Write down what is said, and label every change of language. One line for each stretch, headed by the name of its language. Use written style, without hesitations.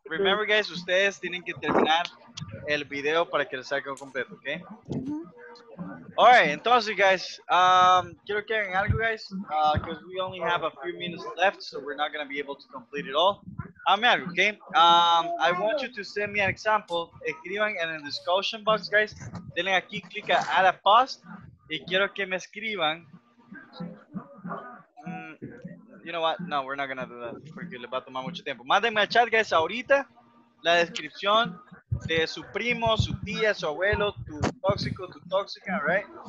English: Remember, guys,
Spanish: ustedes tienen que terminar el video para que les salga completo, ¿ok?
English: All right, entonces, guys,
Spanish: quiero que hagan algo,
English: guys, because we only have a few minutes left, so we're not going to be able to complete it all. I want you to send me an example.
Spanish: Escriban en el discussion box, guys. Denle aquí, clic a add a post, y quiero que me escriban.
English: You know what? No, we're not going to do that,
Spanish: porque le va a tomar mucho tiempo. Mándenme al chat, guys, ahorita, la descripción de su primo, su tía, su abuelo, tu tóxico, tu tóxica, right?